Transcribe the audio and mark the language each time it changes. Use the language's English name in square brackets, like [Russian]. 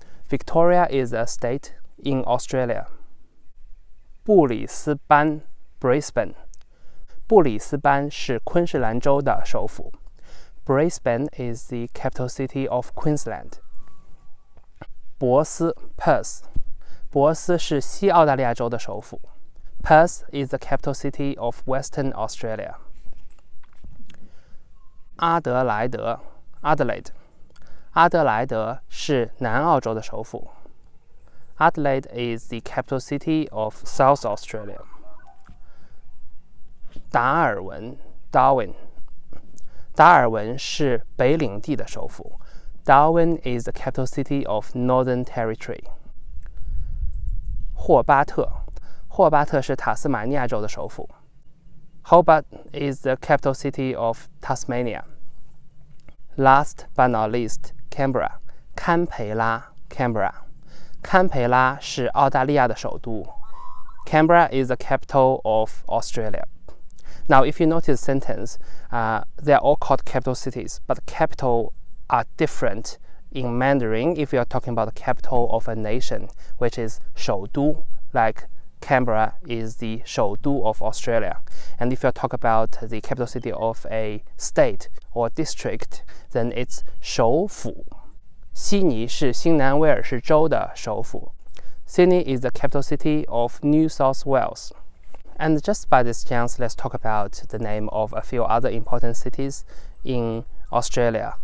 [English] Victoria is a state in Australia. 布里斯班, Brisbane. [Chinese] 布里斯班是昆士兰州的首府. [English] Brisbane is the capital city of Queensland. 珀斯, Perth. [Chinese] 珀斯是西澳大利亚州的首府. [English] Perth is the capital city of Western Australia. [Chinese] 阿德莱德, Adelaide. 阿德莱德是南澳洲的首府. [English] Adelaide is the capital city of South Australia. [Chinese] 达尔文, Darwin. 达尔文是北领地的首府. [English] Darwin is the capital city of Northern Territory. [Chinese] 霍巴特, 霍巴特是塔斯马尼亚州的首府. [English] Hobart is the capital city of Tasmania. Last but not least, Canberra. [Chinese] 堪培拉, Canberra. 堪培拉是澳大利亚的首都. [English] Canberra is the capital of Australia. Now, if you notice the sentence, they are all called capital cities, but capital are different in Mandarin if you are talking about the capital of a nation, which is 首都, like Canberra is the 首都 of Australia. And if you talk about the capital city of a state or district, then it's 首府. [Chinese] 悉尼是新南威尔士州的首府. [English] Sydney is the capital city of New South Wales. And just by this chance, let's talk about the name of a few other important cities in Australia.